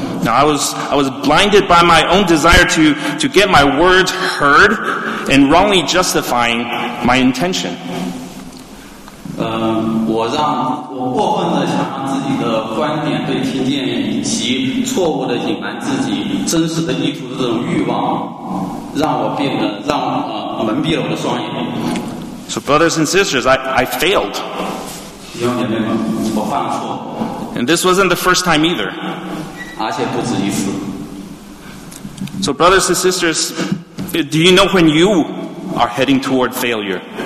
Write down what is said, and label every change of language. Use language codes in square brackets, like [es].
[en] Now I was blinded by my own desire to get my words heard and wrongly justifying my intention. [zh] 我过分的想让自己的观点被听见，以及错误的隐瞒自己真实的意图的这种欲望，让我蒙蔽了我的双眼。 [en] So brothers and sisters, I failed. [zh] 弟兄姐妹们，我犯了错。 [en] And this wasn't the first time either. [zh] 而且不止一次。 [en] So brothers and sisters, do you know when you are heading toward failure?